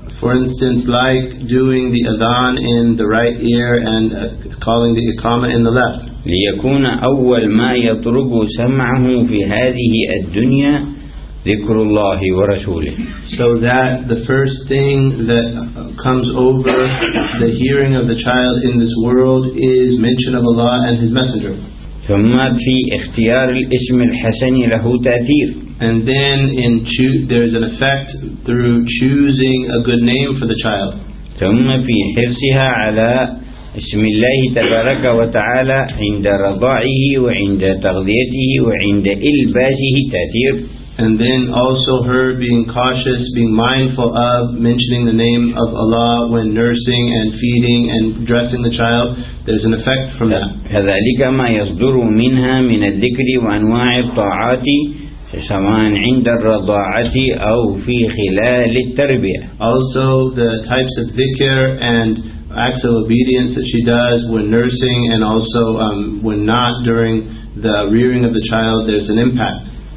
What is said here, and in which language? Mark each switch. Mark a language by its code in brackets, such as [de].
[en] For instance, like doing the adhan in the right ear and calling the iqama in the left. [ar] ليكون أول ما يطرق سمعه في هذه الدنيا ذكر الله ورسوله. [en] So that the first thing that comes over the hearing of the child in this world is mention of Allah and His Messenger. [ar] ثم في اختيار الاسم الحسن له تأثير. [en] And then there is an effect through choosing a good name for the child. [ar] ثم في حرصها على اسم الله تبارك وتعالى عند رضاعه وعند تغذيته وعند إلباسه تأثير. [en] And then also her being cautious, being mindful of mentioning the name of Allah when nursing and feeding and dressing the child, there's an effect from that. [ar] كذلك ما يصدر منها من الذكر وأنواع الطاعات سواء عند الرضاعة أو في خلال التربية. [en] Also the types of dhikr and acts of obedience that she does when nursing and also when not during the rearing of the child, there's an impact.